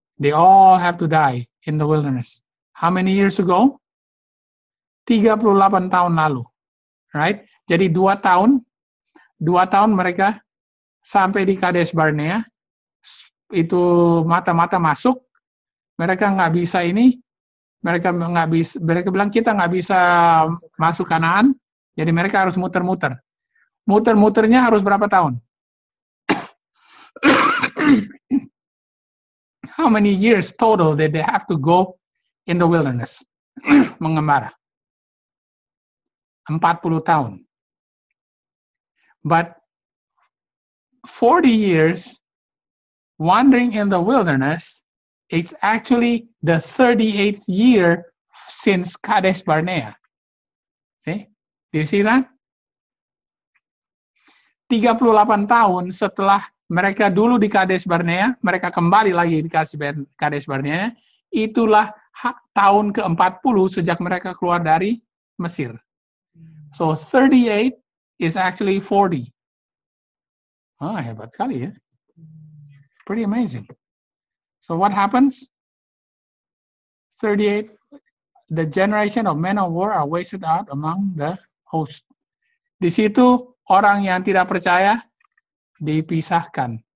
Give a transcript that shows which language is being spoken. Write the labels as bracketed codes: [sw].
[en] They all have to die in the wilderness. How many years ago? [id] 38 tahun lalu. [en] Right? [id] Jadi 2 tahun mereka sampai di Kadesh Barnea, itu mata-mata masuk, mereka nggak bisa ini, mereka bilang kita nggak bisa masuk Kanaan, jadi mereka harus muter-muter. Muter-muternya harus berapa tahun? [en] How many years total did they have to go in the wilderness? [id] Mengembara. 40 tahun. [en] But 40 years wandering in the wilderness is actually the 38th year since Kadesh Barnea. See? Do you see that? [id] 38 tahun setelah mereka dulu di Kadesh Barnea, mereka kembali lagi di Kadesh Barnea, itulah tahun ke-40 sejak mereka keluar dari Mesir. [en] So 38 is actually 40. [id] Ah, hebat sekali ya. [en] pretty amazing. So what happens? 38, the generation of men of war are wasted out among the host. [id] Di situ orang yang tidak percaya dipisahkan.